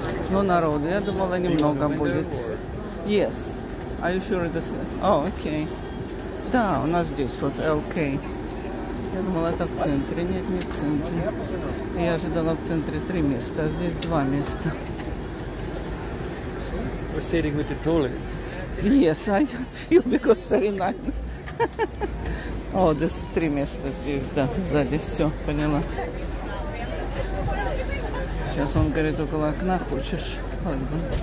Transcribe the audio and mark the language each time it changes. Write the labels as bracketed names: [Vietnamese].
[Russian] Ну, народу, я думала, немного будет. [English] Yes. Are you sure this is? Oh, okay. [Russian] Да, у нас здесь вот LK. Я думала, это в центре. Нет, не в центре. Я ожидала в центре 3 места, а здесь 2 места. [English] We're sitting with the toilet. Yes, I feel because very nice. [Russian] О, здесь 3 места здесь, да, сзади, все, поняла. Сейчас он говорит, около окна хочешь. ходьбы.